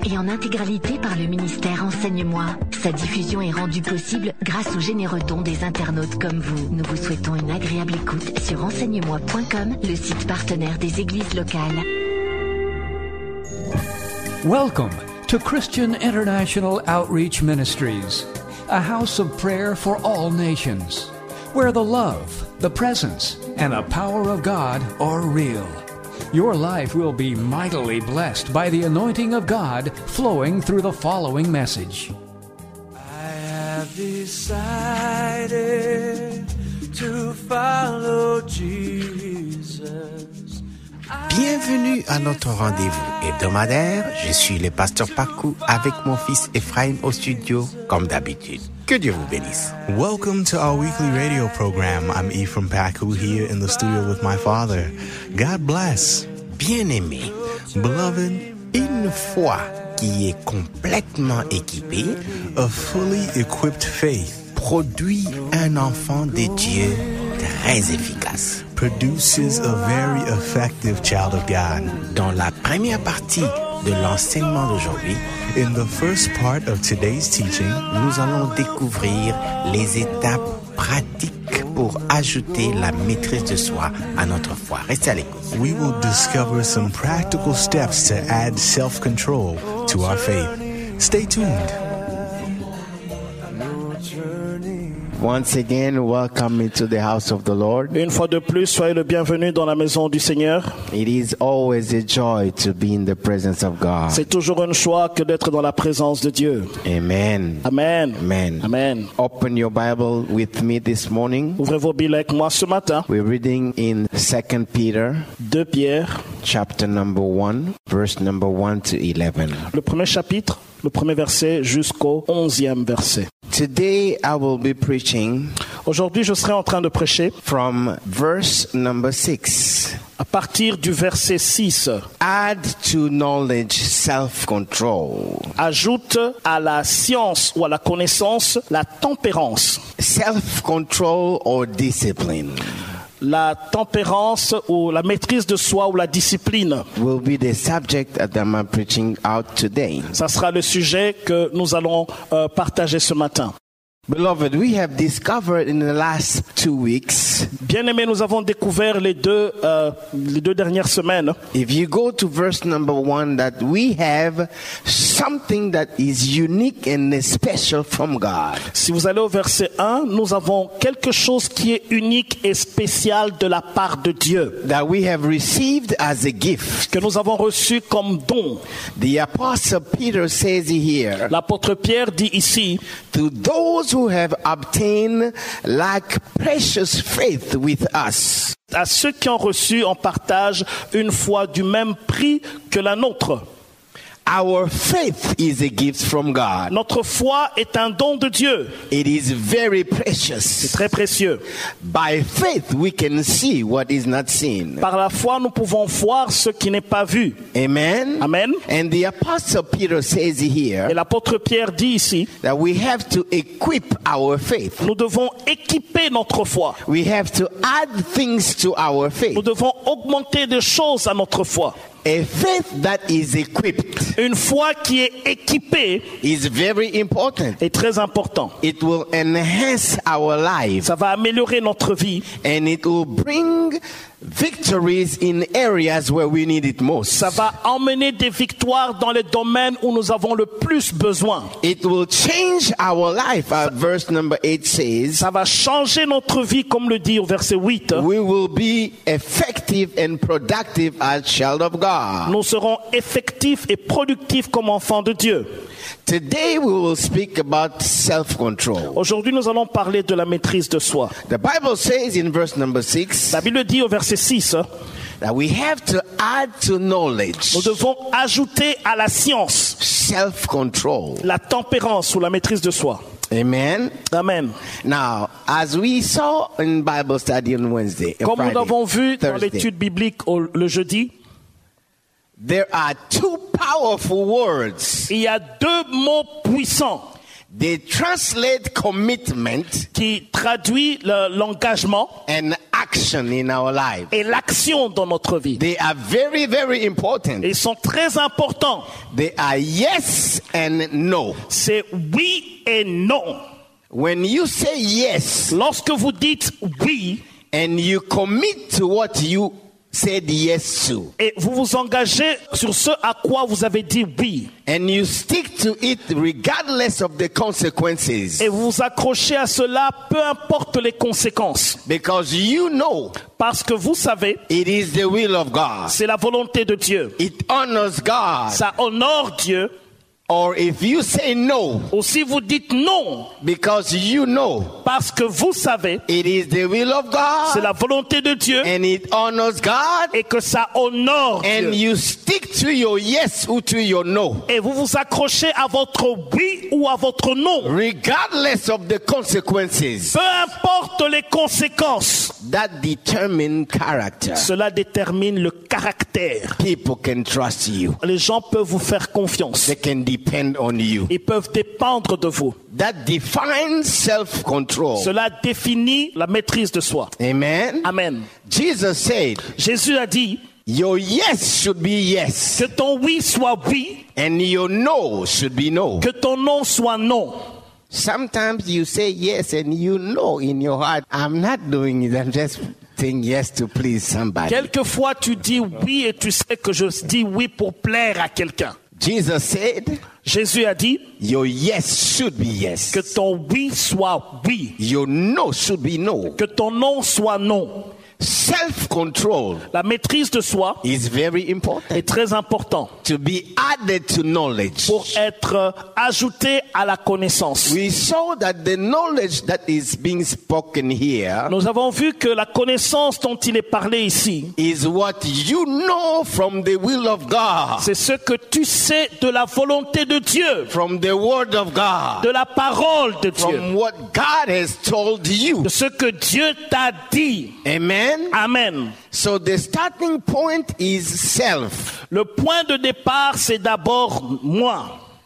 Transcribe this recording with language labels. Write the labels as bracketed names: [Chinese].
[French] Et en intégralité par le ministère Enseigne-moi. Sa diffusion est rendue possible grâce aux généreux dons des internautes comme vous. Nous vous souhaitons une agréable écoute sur enseignemoi.com, le site partenaire des églises locales. [English] Welcome to Christian International Outreach Ministries, a house of prayer for all nations, where the love, the presence, and the power of God are real. Your life will be mightily blessed by the anointing of God flowing through the following message. I have decided to follow Jesus. [French] Bienvenue à notre rendez-vous hebdomadaire. Je suis le pasteur Paco avec mon fils Ephraim au studio, comme d'habitude. Que Dieu vous bénisse. [English] Welcome to our weekly radio program. I'm Ephraim Paco here in the studio with my father. God bless. [French] Bien-aimé, [English] beloved, [French] une foi qui est complètement équipée, [English] a fully equipped faith, [French] produit un enfant de Dieu très efficace, [English] produces a very effective child of God. [French] Dans la première partie de l'enseignement d'aujourd'hui, [English] in the first part of today's teaching, [French] nous allons découvrir les étapes pratiques pour ajouter la maîtrise de soi à notre foi. Restez à l'écoute. [English] We will discover some practical steps to add self-control to our faith. Stay tuned. Once again, welcome into the house of the Lord. [French] Une fois de plus, soyez le bienvenu dans la maison du Seigneur. [English] It is always a joy to be in the presence of God. [French] C'est toujours une joie que d'être dans la présence de Dieu. [English] Amen. [French] Amen. [English] Amen. [French] Amen. [English] Open your Bible with me this morning. [French] Ouvrez vos Bibles avec moi ce matin. [English] We're reading in 2 Peter. [French] 2 Pierre. [English] Chapter number 1, verse number 1 to 11. [French] Le premier chapitre, le premier verset jusqu'au 11e verset. [English] Today I will be preaching. [French] Aujourd'hui, je serai en train de prêcher [English] from verse number 6. [French] À partir du verset 6. [English] Add to knowledge self-control. [French] Ajoute à la science ou à la connaissance la tempérance. [English] Self-control or discipline. [French] La tempérance ou la maîtrise de soi ou la discipline. [English] Will be the subject that I'm preaching out today. [French] Ça sera le sujet que nous allons partager ce matin. [English] Beloved, we have discovered in the last 2 weeks. [French] Bien-aimés, nous avons découvert les deux dernières semaines. [English] If you go to verse number 1, that we have something that is unique and special from God. [French] Si vous allez au verset 1, nous avons quelque chose qui est unique et spécial de la part de Dieu. [English] That we have received as a gift. [French] Que nous avons reçu comme don. [English] The apostle Peter says here. [French] L'apôtre Pierre dit ici. [English] To those who have obtained like precious faith with us. [French] À ceux qui ont reçu en partage une foi du même prix que la nôtre. [English] Our faith is a gift from God. [French] Notre foi est un don de Dieu. [English] It is very precious. [French] C'est très précieux. [English] By faith we can see what is not seen. [French] Par la foi nous pouvons voir ce qui n'est pas vu. [English] Amen. [French] Amen. [English] And the apostle Peter says here. [French] Et l'apôtre Pierre dit ici. [English] That we have to equip our faith. [French] Nous devons équiper notre foi. [English] We have to add things to our faith. [French] Nous devons augmenter des choses à notre foi. [English] A faith that is equipped, [French] une foi qui est équipée, [English] is very important. [French] Est très important. [English] It will enhance our lives. [French] Ça va améliorer notre vie. [English] And it will bring victories in areas where we need it most. [French] Ça va emmener des victoires dans les domaines où nous avons le plus besoin. [English] It will change our life, as verse number 8 says. [French] Ça va changer notre vie, comme le dit au verset 8. [English] We will be effective and productive as child of God. [French] Nous serons effectifs et productifs comme enfants de Dieu. [English] Today we will speak about self-control. [French] Aujourd'hui nous allons parler de la maîtrise de soi. [English] The Bible says in verse number 6. [French] La Bible dit au verset 6. [English] That we have to add to knowledge. [French] Nous devons ajouter à la science. [English] Self-control. [French] La tempérance ou la maîtrise de soi. [English] Amen. [French] Amen. [English] Now, as we saw in Bible study on Wednesday. [French] Comme [English] Friday, [French] nous avons vu [English] Thursday. [French] Dans l'étude biblique le jeudi. [English] There are two powerful words. [French] Il y a deux mots puissants. [English] They translate commitment [French] qui traduit l'engagement [English] and action in our life. [French] Et l'action dans notre vie. [English] They are very, very important. [French] Ils sont très importants. [English] They are yes and no. [French] C'est oui et non. [English] When you say yes, [French] lorsque vous dites oui, [English] and you commit to what you said yes to, [French] et vous vous engagez sur ce à quoi vous avez dit oui, [English] and you stick to it regardless of the consequences, [French] et vous vous accrochez à cela peu importe les conséquences, [English] because you know, [French] parce que vous savez, [English] it is the will of God, [French] c'est la volonté de Dieu, [English] it honors God, [French] ça honore Dieu. [English] Or if you say no, [French] ou si vous dites non, [English] because you know, [French] parce que vous savez, [English] it is the will of God, [French] c'est la volonté de Dieu, [English] and it honors God, [French] et que ça honore [English] and [French] Dieu, [English] and you stick to your yes or to your no, [French] et vous vous accrochez à votre oui ou à votre non, [English] regardless of the consequences, [French] peu importe les conséquences, [English] that determine character, [French] cela détermine le caractère. [English] People can trust you, [French] les gens peuvent vous faire confiance. [English] They can depend on you. [French] Ils peuvent dépendre de vous. [English] That defines self-control. [French] Cela définit la maîtrise de soi. [English] Amen. [French] Amen. [English] Jesus said, [French] Jésus a dit, [English] your yes should be yes. [French] Que ton oui soit oui. [English] And your no should be no. [French] Que ton non soit non. [English] Sometimes you say yes and you know in your heart, I'm not doing it, I'm just saying yes to please somebody. [French] Quelquefois tu dis oui et tu sais que je dis oui pour plaire à quelqu'un. [English] Jesus said, [French] Jésus a dit, [English] your yes should be yes. [French] Que ton oui soit oui. [English] Your no should be no. [French] Que ton non soit non. [English] Self-control, [French] la maîtrise de soi, [English] is very important, [French] est très important, [English] to be added to knowledge, [French] pour être ajouté à la connaissance. [English] We saw that the knowledge that is being spoken here, [French] nous avons vu que la connaissance dont il est parlé ici, [English] is what you know from the will of God, [French] c'est ce que tu sais de la volonté de Dieu, [English] from the word of God, [French] de la parole de [English] from [French] Dieu, [English] from what God has told you, [French] de ce que Dieu t'a dit. [English] Amen. [French] Amen. [English] So the starting point is self. [French] Le point de départ, c'est d'abord moi.